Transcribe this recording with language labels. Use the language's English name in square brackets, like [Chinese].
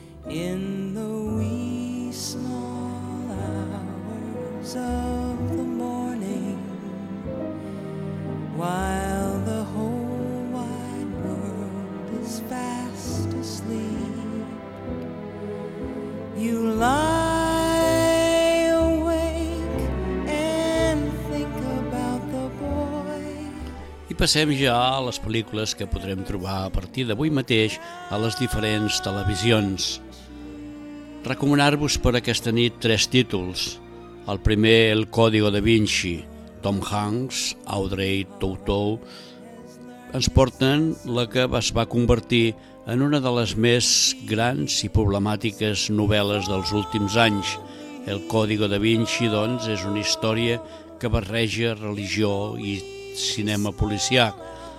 [English] In the wee small hours of the morning, while the whole wide world is fast asleep, you lie awake and think about the boy. [Catalan] I passem ja a les pel·lícules que podrem trobar a partir d'avui mateix a les diferents televisions. Recomanar-vos per aquesta nit tres títols. El primer, El Código de Vinci. Tom Hanks, Audrey Tautou, ens porten la que es va convertir en una de les més grans i problemàtiques novel·les dels últims anys. El Código de Vinci, doncs, és una història que barreja religió i cinema policiac.